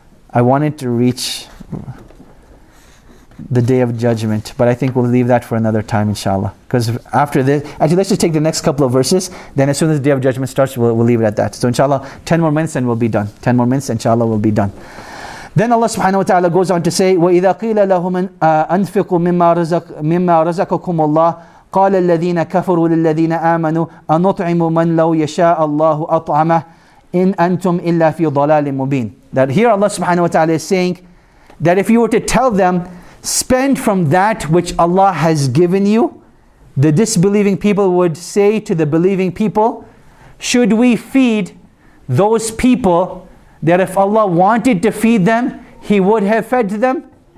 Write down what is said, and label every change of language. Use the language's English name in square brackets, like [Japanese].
[English] I wanted to reach the day of judgment, but I think we'll leave that for another time, inshallah. Because after this, actually, let's just take the next couple of verses. Then as soon as the day of judgment starts, we'll leave it at that. So inshallah, 10 more minutes and we'll be done. 10 more minutes, inshallah, we'll be done. Then Allah subhanahu wa ta'ala goes on to say, [Arabic] وَإِذَا قِيلَ لَهُمْ أَنْفِقُوا مِمَّا رَزَقَكُمُ اللَّهِ قَالَ الَّذِينَ كَفَرُوا لِلَّذِينَ آمَنُوا أَنُطْعِمُوا مَنْ لَوْ يَشَاءَ اللَّهُ أَطْعَمَهُ إِنْ أَنْتُمْ إِلَّا فِي ضَلَالٍ مُبِينٍ. [English] That here Allah subhanahu wa ta'ala is saying that if you were to tell them, spend from that which Allah has given you, the disbelieving people would say to the believing people, should we feed those people that if Allah wanted to feed them, He would have fed them?